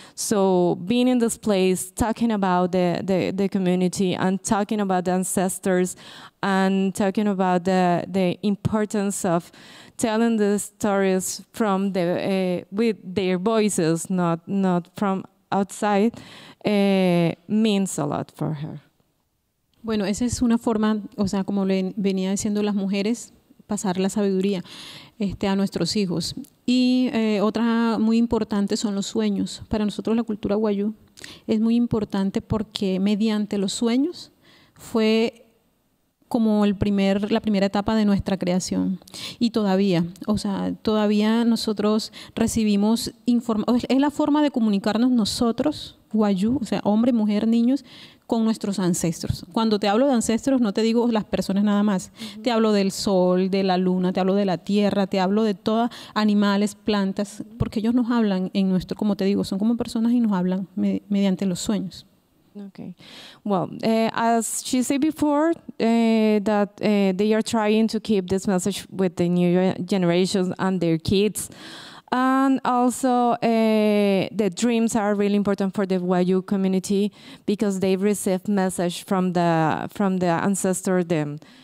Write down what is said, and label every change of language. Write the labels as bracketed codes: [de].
[en] So being in this place, talking about the community and talking about the ancestors and talking about the importance of telling the stories from the with their voices, not from outside, means a lot for her. [es] Bueno, esa es una forma, o sea, como le venía diciendo las mujeres, pasar la sabiduría a nuestros hijos. Y otra muy importante son los sueños. Para nosotros la cultura Wayuu es muy importante porque mediante los sueños fue como la primera etapa de nuestra creación. Y todavía nosotros recibimos información. Es la forma de comunicarnos nosotros, Wayuu, o sea, hombre, mujer, niños, con nuestros ancestros. Cuando te hablo de ancestros, no te digo las personas nada más. Uh-huh. Te hablo del sol, de la luna, te hablo de la tierra, te hablo de todos animales, plantas, uh-huh. Porque ellos nos hablan en nuestro, como te digo, son como personas y nos hablan mediante los sueños. [en] Okay. Well, as she said before, that they are trying to keep this message with the new generations and their kids. And also the dreams are really important for the Wayuu community because they receive message from the ancestor them.